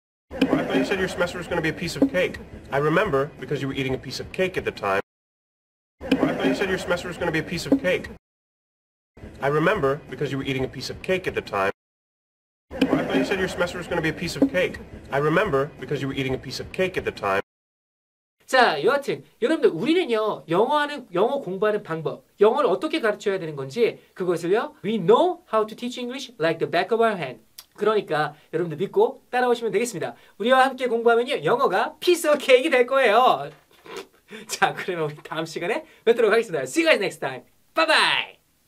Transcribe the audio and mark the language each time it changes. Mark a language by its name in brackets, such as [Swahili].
[English] Well, I thought you said your semester was gonna be a piece of cake. I remember, because you were eating a piece of cake at the time. Well, I thought you said your semester was gonna be a piece of cake. I remember, because you were eating a piece of cake at the time. Well, I thought you said your semester was going to be a piece of cake. I remember, because you were eating a piece of cake at the time. [Korean] 자, 여하튼, 여러분들, 우리는요, 영어 공부하는 방법, 영어를 어떻게 가르쳐야 되는 건지, 그것을요, [English] we know how to teach English like the back of our hand. [Korean] 그러니까 여러분들 믿고 따라오시면 되겠습니다. 우리와 함께 공부하면요 영어가 [English] piece of cake [Korean] 이 될 거예요. 자, 그러면 우리 다음 시간에 뵙도록 하겠습니다. [English] See you guys next time. Bye bye.